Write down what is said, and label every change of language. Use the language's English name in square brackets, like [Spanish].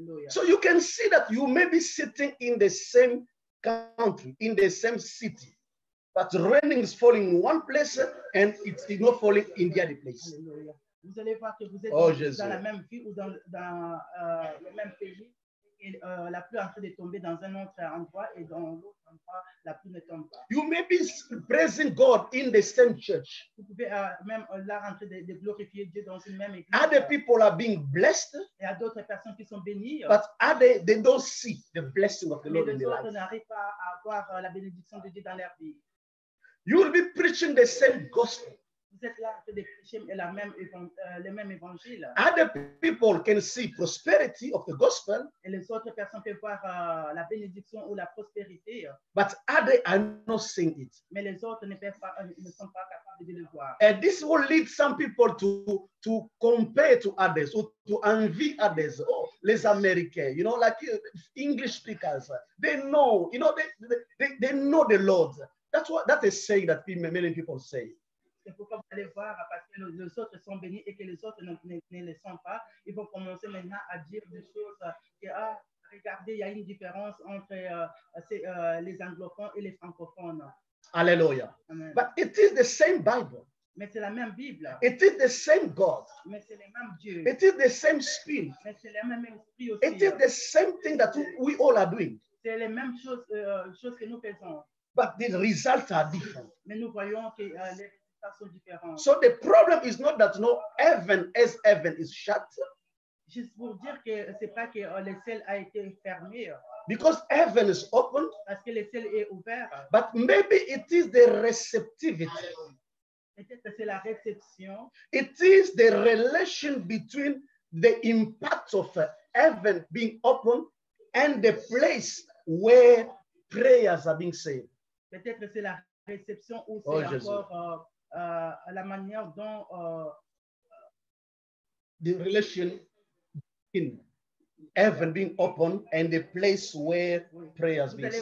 [English] So you can see that you may be sitting in the same country, in the same city, but raining is falling in one place and it is not falling in the other place. [French] Alléluia. Vous allez voir que vous êtes dans la même ville ou dans le même pays et la pluie en train de tomber dans un autre endroit et dans l'autre endroit la pluie ne tombe pas. [English] You may be praising God in the same church. [French] Vous pouvez même là en train de glorifier Dieu dans une même église. [English] Other people are being blessed. [French] Il y a d'autres personnes qui sont bénies. [English] But they don't see the blessing of the Lord in their lives. [French] Mais les autres n'arrivent pas à voir la bénédiction de Dieu dans leur vie. [English] You will be preaching the same gospel. [French] Vous êtes là en train de prêcher le même évangile. [English] Other people can see prosperity of the gospel. [French] Et les autres personnes peuvent voir la bénédiction ou la prospérité. [English] But others are not seeing it. [French] Mais les autres ne sont pas capables de le voir. [English] And this will lead some people to compare to others or to envy others. Oh, [French] les Américains, [English] you know, like English speakers, they know, you know, they know the Lord. That's what that is saying that many people say. [French] Pourquoi vous allez voir parce que les autres sont bénis et que les autres ne le sont pas. Ils vont commencer maintenant à dire des choses que, ah, regardez, il y a une différence entre les anglophones et les francophones. Alléluia. Amen. [English] But it is the same Bible. [French] Mais c'est la même Bible. [English] It is the same God. [French] Mais c'est le même Dieu. [English] It is the same Spirit. [French] Mais c'est le même Esprit aussi. [English] It is the same thing that we all are doing. [French] C'est les mêmes choses que nous faisons. [English] But the results are different. [French] Mais nous voyons que [English] so the problem is not that no heaven as heaven is shut. [French] Juste pour dire que c'est pas que le ciel a été fermé. [English] Because heaven is open. [French] Parce que le ciel est ouvert. [English] But maybe it is the receptivity. [French] Peut-être c'est la réception. [English] It is the relation between the impact of heaven being open and the place where prayers are being said. [French] Peut-être c'est la réception ou c'est encore. La manière dont [English] the relation in heaven being open and the place where prayers being said.